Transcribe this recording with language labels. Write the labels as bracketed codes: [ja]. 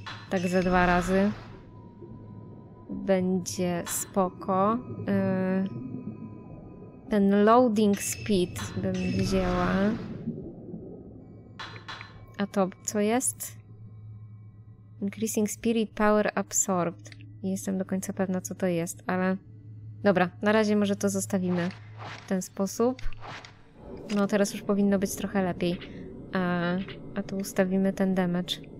[pl] Tak za dwa razy. Będzie spoko. Ten loading speed bym wzięła. A to co jest? [en] Increasing spirit power absorbed. [pl] Nie jestem do końca pewna, co to jest, ale... Dobra, na razie może to zostawimy w ten sposób. No, teraz już powinno być trochę lepiej. A tu ustawimy ten damage.